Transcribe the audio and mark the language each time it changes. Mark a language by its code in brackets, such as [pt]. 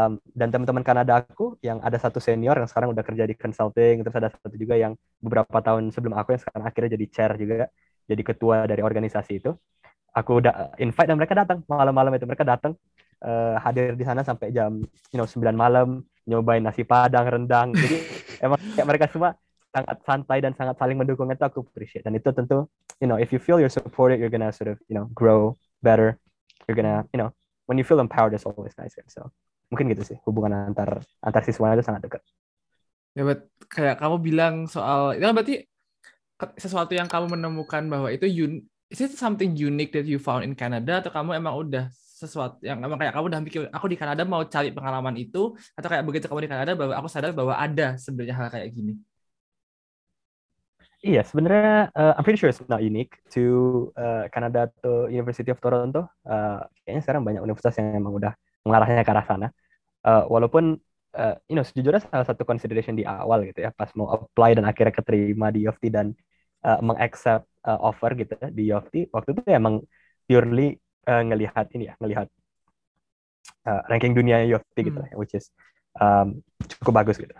[id] Dan teman-teman Kanada aku, yang ada satu senior yang sekarang udah kerja di consulting, terus ada satu juga yang beberapa tahun sebelum aku, yang sekarang akhirnya jadi chair juga, jadi ketua dari organisasi itu, aku udah invite dan mereka datang malam-malam itu. Mereka datang hadir di sana sampai jam 9 malam, nyobain nasi padang, rendang. Jadi emang kayak mereka semua sangat santai dan sangat saling mendukung, itu aku appreciate. Dan itu tentu, [en] you know, if you feel you're supported, you're gonna sort of, you know, grow better. You're gonna, you know, when you feel empowered, it's always nice. [id] So mungkin gitu sih, hubungan antar siswanya itu sangat dekat. Ya, yeah, kayak kamu bilang soal, itu berarti sesuatu yang kamu menemukan bahwa itu [en] is it something unique that you found in Canada, [id] atau kamu emang udah sesuatu yang emang kayak kamu udah mikir aku di Kanada mau cari pengalaman itu, atau kayak begitu kamu di Kanada baru aku sadar bahwa ada sebenarnya hal kayak gini? Iya, sebenarnya [en] I'm pretty sure it's not unique to Canada atau University of Toronto. [id] Kayaknya sekarang banyak universitas yang emang udah mengarahnya ke arah sana. Walaupun you know, sejujurnya salah satu consideration di awal gitu ya, pas mau apply dan akhirnya keterima di U of T dan meng-accept offer gitu di U of T, waktu itu emang purely ngelihat ini ya, ngelihat ranking dunia U of T gitu, which is cukup bagus gitu.